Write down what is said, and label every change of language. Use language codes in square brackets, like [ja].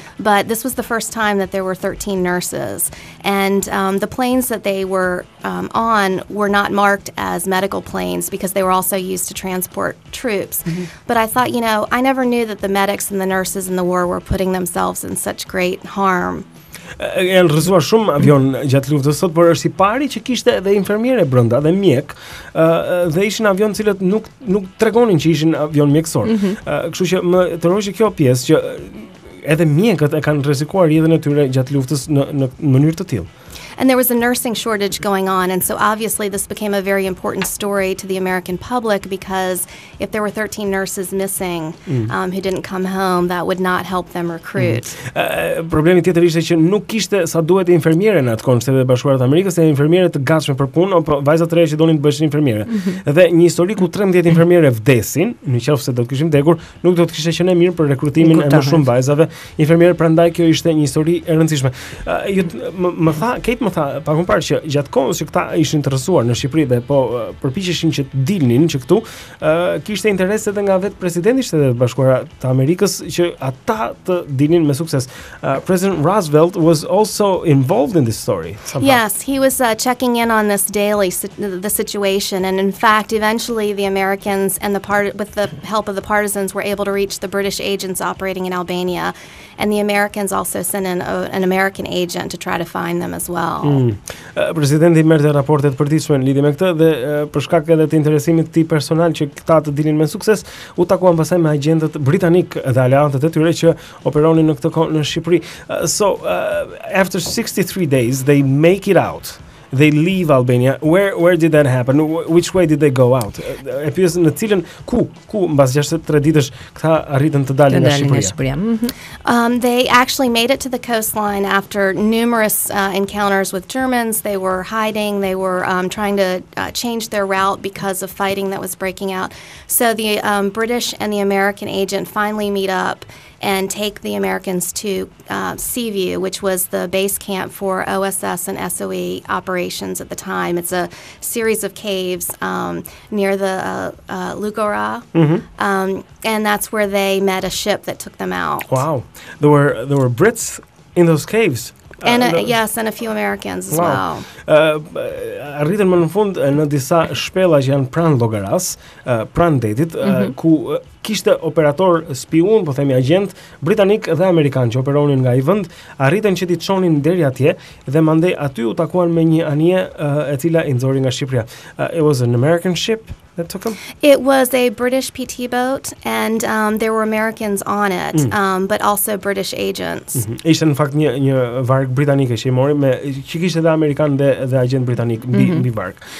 [en] But this was the first time that there were 13 nurses. And the planes that they were on were not marked as medical planes because they were also used to transport troops. Mm-hmm. But I thought, you know, I never knew that the medics and the nurses in the war were putting themselves in such great harm. [sq] Janë rrezuar shumë avion gjatë luftës sot, por është i pari që kishte edhe infermiere brenda dhe mjek, dhe ishin avion cilët nuk tregonin që ishin avion mjekësor. Kështu që më tërhoqi kjo pjesë që edhe mjekët e kanë rrezikuar jetën e tyre gjatë luftës në mënyrë të tillë. [en] And there was a nursing shortage going on, and so obviously this became a very important story to the American public because if there were 13 nurses missing who didn't come home, that would not help them recruit. [sq] Problemi tjetër ishte që nuk kishte sa duhet infermiere në atë kohë në Shtetet e Bashkuara të Amerikës, e infermiere të gatshme për punë, apo vajza të reja që donin të bëheshin infermiere. Dhe një histori ku 13 infermiere vdesin, nëse do të kishim dekur, nuk do të kishte qenë mirë për rekrutimin e më shumë vajzave infermiere, prandaj kjo ishte një histori e rëndësishme. Më tha më tha, pak më parë që gjatë kohës që këta ishin interesuar në Shqipëri dhe po përpiqeshin që të dilnin që këtu, kishte interes edhe nga vetë presidenti i Shteteve Bashkuara të Amerikës që ata të dilnin me sukses. [en] President Roosevelt was also involved in this story. Somehow. Yes, he was checking in on this daily the situation, and in fact eventually the Americans and with the help of the partisans were able to reach the British agents operating in Albania, and the Americans also sent in an American agent to try to find them as well. [sq] Presidenti merrte raporte të përditshme në lidhje me këtë dhe për shkak edhe të interesimit të tij personal që këta të dilnin me sukses, u takuan pastaj me agentët britanik dhe aleantët e tyre që operonin në këtë kohë në Shqipëri. [en] After 63 days they make it out. They leave Albania. Where did that happen? Which way did they go out? [sq] E pyes në cilën ku mbas 63 ditësh këta arritën të dalin nga Shqipëria. [en] They actually made it to the coastline after numerous encounters with Germans. They were hiding, they were trying to change their route because of fighting that was breaking out. So the British and the American agent finally meet up and take the Americans to Seaview, which was the base camp for OSS and SOE operations at the time. It's a series of caves near the Lugora, and that's where they met a ship that took them out. Wow. There were Brits in those caves. And a few Americans as well. [sq] Arritën më në fund në disa shpella që janë pranë Logaras, pranë detit, ku kishte operator spiun, po themi agent, britanik dhe amerikan që operonin nga i vënd, arritën që ti të qonin deri atje, dhe mandej aty u takuan me një anje e cila i nxori nga Shqipëria. [en] It was an American ship that took them? It was a British PT boat, and there were Americans on it, but also British agents. [sq] Ishte në fakt një varg britanike që i mori, që kishte dhe amerikan dhe agent britanik mbi varg.